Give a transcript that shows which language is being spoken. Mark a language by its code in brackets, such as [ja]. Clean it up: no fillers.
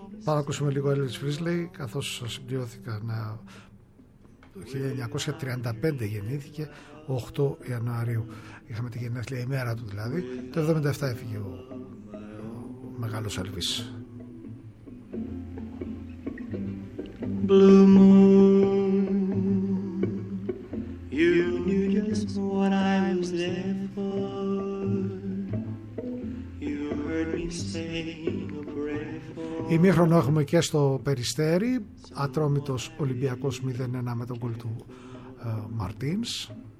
[el] Πάμε να ακούσουμε λίγο Elvis Presley, καθώς συμπληρώθηκα. Το 1935 γεννήθηκε. 8 Ιανουαρίου είχαμε τη γενέθλια, η μέρα του δηλαδή. Το 77 έφυγε ο μεγάλος Elvis. [en] Blue moon, you knew just what I was there for. You heard me saying a prayer for. [el] Ημίχρονο έχουμε και στο Περιστέρι. Ατρόμητος Ολυμπιακός 0-1 με τον γκολ του Μαρτίνς.